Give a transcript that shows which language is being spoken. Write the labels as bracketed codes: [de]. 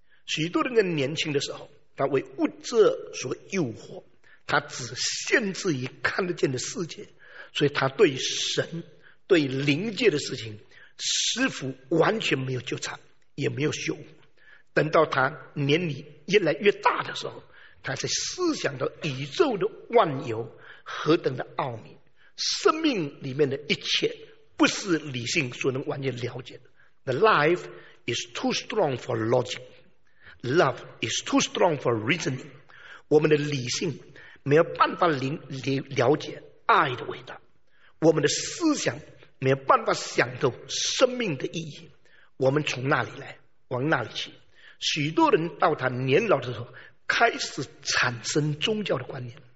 [zh] 许多人在年轻的时候，他为物质所诱惑，他只限制于看得见的世界，所以他对神对灵界的事情似乎完全没有纠缠，也没有羞。等到他年龄越来越大的时候，他才思想到宇宙的万有何等的奥秘，生命里面的一切不是理性所能完全了解的。 [en] The life is too strong for logic. Love is too strong for reasoning. [zh] 我们的理性没有办法了解爱的伟大，我们的思想没有办法想到生命的意义。我们从哪里来，往哪里去？许多人到他年老的时候开始产生宗教的观念。